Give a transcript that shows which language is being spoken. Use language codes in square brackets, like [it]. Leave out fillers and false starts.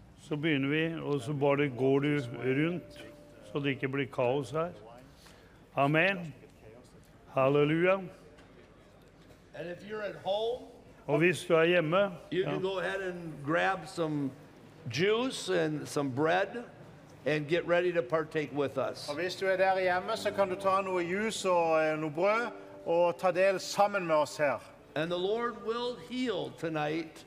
[no] Så begynner vi, og så bare går du rundt, så det ikke blir kaos her. Amen. Halleluja. [en] And if you're at home, [no] og hvis du hjemme, [en] you can go ahead and grab some juice and some bread and get ready to partake with us. [no] Og hvis du der hjemme, så kan du ta noe juice og noe brød og ta del sammen med oss her. [en] And the Lord will heal tonight.